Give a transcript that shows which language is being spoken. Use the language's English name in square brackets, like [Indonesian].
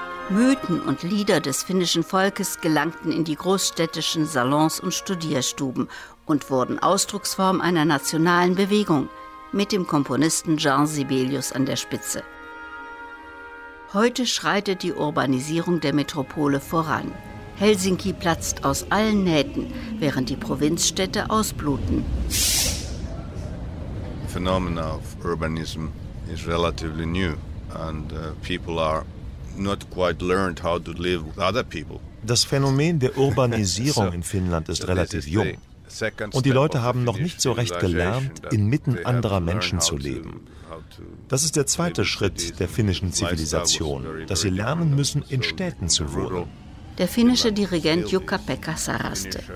[German] Mythen und Lieder des finnischen Volkes gelangten in die großstädtischen Salons und Studierstuben und wurden Ausdrucksform einer nationalen Bewegung, mit dem Komponisten Jean Sibelius an der Spitze. Heute schreitet die Urbanisierung der Metropole voran. Helsinki platzt aus allen Nähten, während die Provinzstädte ausbluten. [English] The phenomenon of urbanism is relatively new and people are not quite learned how to live with other people. [German] Das Phänomen der Urbanisierung in Finnland ist relativ jung. Und die Leute haben noch nicht so recht gelernt, inmitten anderer Menschen zu leben. Das ist der zweite Schritt der finnischen Zivilisation, dass sie lernen müssen, in Städten zu wohnen. Der finnische Dirigent Jukka-Pekka Saraste.